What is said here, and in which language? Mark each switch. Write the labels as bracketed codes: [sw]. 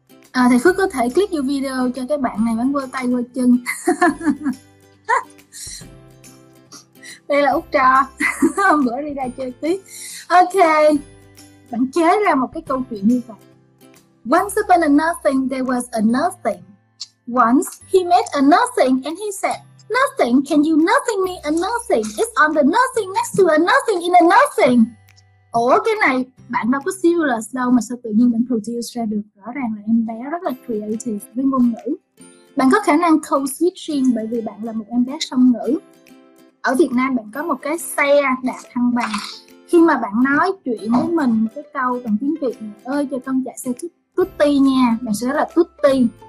[vi] À, thầy Phước có thể click vô video cho cái bạn này bán vơ tay vơ chân. Đây là Út Trò. Hôm bữa đi ra chơi tí. Ok, bạn chế ra một cái câu chuyện như vậy. [en] Once upon a nothing, there was a nothing. Once he met a nothing and he said, nothing, can you nothing me a nothing? It's on the nothing next to a nothing in a nothing. [vi] Ủa cái này bạn đâu có stimulus đâu mà sao tự nhiên bạn produce ra được? Rõ ràng là em bé rất là creative với ngôn ngữ. Bạn có khả năng code switching bởi vì bạn là một em bé song ngữ. Ở Việt Nam bạn có một cái xe đạp thăng bằng. Khi mà bạn nói chuyện với mình một cái câu bằng tiếng Việt, mẹ ơi cho con chạy xe tutti nha, bạn sẽ rất là tutti.